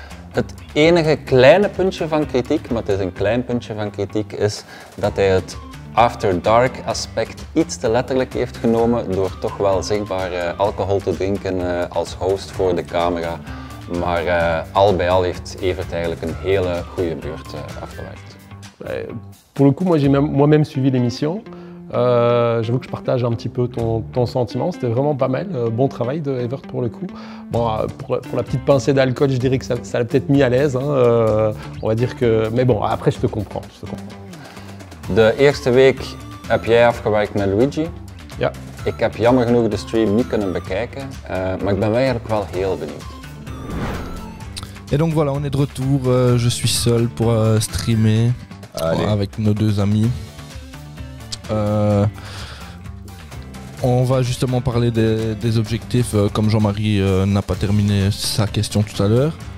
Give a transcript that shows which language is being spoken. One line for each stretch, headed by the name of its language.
Dutch: Het enige kleine puntje van kritiek, maar het is een klein puntje van kritiek, is dat hij het After Dark aspect iets te letterlijk heeft genomen door toch wel zichtbaar alcohol te drinken als host voor de camera. Maar al bij al heeft Evert eigenlijk een hele goede beurt afgewerkt.
French: Pour le coup, moi j'ai moi-même suivi l'émission. J'avoue que je partage un petit peu ton sentiment. C'était vraiment pas mal. Bon travail de Evert pour le coup. Bon, pour la petite pincée d'alcool, je dirais que ça l'a peut-être mis à l'aise. Hein. On va dire que. Mais bon, après, je te comprends.
Dutch: De eerste week heb jij afgewerkt met Luigi. Ja. Ik heb jammer genoeg de stream niet kunnen bekijken, maar ik ben eigenlijk wel heel benieuwd.
French: Et donc voilà, on est de retour. Je suis seul pour streamer avec nos deux amis. On va justement parler des objectifs, comme Jean-Marie n'a pas terminé sa question tout à l'heure.